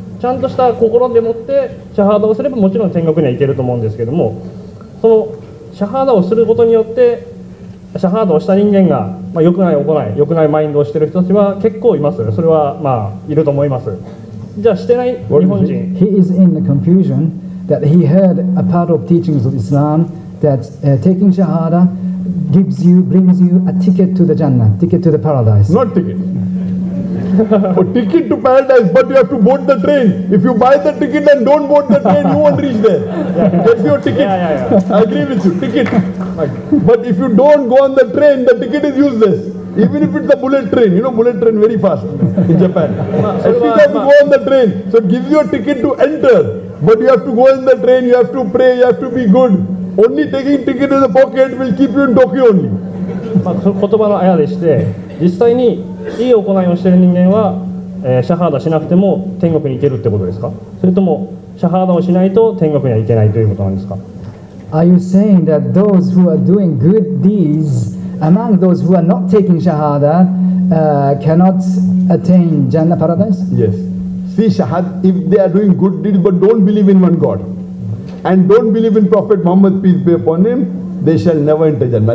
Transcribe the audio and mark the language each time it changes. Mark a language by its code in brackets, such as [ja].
[ja] ちゃんとした心でもってシャハダをすればもちろん天国には行けると思うんですけども、そのシャハダをすることによって、シャハダをした人間が、まあ、良くない行い、良くないマインドをしている人たちは結構います。それはまあいると思います。じゃあしてない日本人、 [en] He is in the confusionThat he heard a part of teachings of Islam that taking shahada gives you, brings you a ticket to the Jannah, ticket to the paradise. Not ticket. A ticket to paradise, but you have to board the train. If you buy the ticket and don't board the train, you won't reach there. That's your ticket. Yeah. I agree with you, ticket. But if you don't go on the train, the ticket is useless. Even if it's a bullet train, you know bullet train very fast in Japan. If you have to go on the train, so it gives you a ticket to enter. But you have to go in the train, you have to pray, you have to be good. Only taking ticket in the pocket will keep you in Tokyo only. [ja] まあ、その言葉のあやでして、実際にいい行いをしている人間は、シャハーダしなくても天国に行けるってことですか？それともシャハーダをしないと天国には行けないということなんですか？ [en] Are you saying that those who are doing good deeds among those who are not taking shahada cannot attain Jannah paradise? Yes. See, shahad, if they are doing good deeds but don't believe in one God and don't believe in Prophet Muhammad, peace be upon him, they shall never enter Jannah.